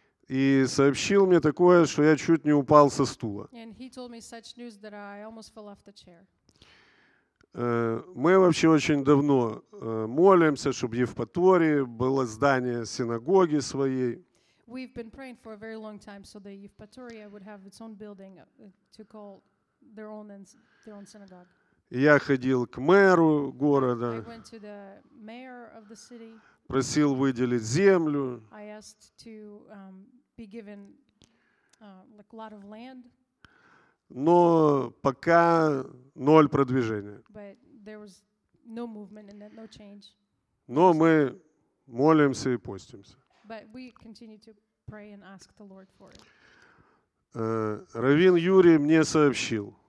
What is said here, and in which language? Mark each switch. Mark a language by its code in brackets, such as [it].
[ru] И сообщил мне такое, что я чуть не упал со стула. Мы вообще очень давно молимся, чтобы Евпатории было здание синагоги своей. [en] We've been praying for a very long time so the Евпатория would have its own building to call their own synagogue. [ru] Я ходил к мэру города. [en] I went to the mayor of the city. [ru] Просил выделить землю. [en] I asked to be given like a lot of land. [ru] Но пока ноль продвижения. [en] But there was no movement and no change. [ru] Но мы молимся и постимся. [en] But we continue to pray and ask the Lord for it. [ru] Раввин Юрий мне сообщил,